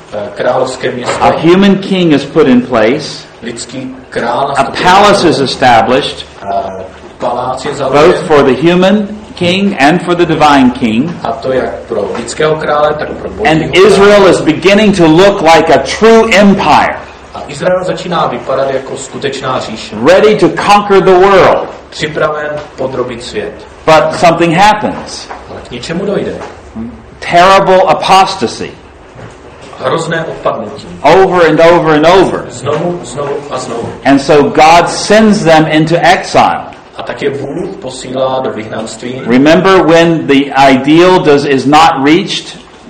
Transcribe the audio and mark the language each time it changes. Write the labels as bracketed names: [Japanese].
[English] A human king is put in place. A palace is established both for the human king and for the divine king. And Israel is beginning to look like a true empire. [Czech] Izrael začíná vypadat jako skutečná říše. [English] Ready to conquer the world. [Czech] Připraven podrobit svět. [English] But something happens. [Czech] Ale k něčemu dojde. [English] Terrible apostasy. [Czech] Hrozné odpadnutí. [English] Over and over and over. [Czech] Znovu, znovu a znovu. [English] And so God sends them into exile. [Czech] A tak je Bůh posílá do vyhnanství. [English] Remember when the ideal is not reached?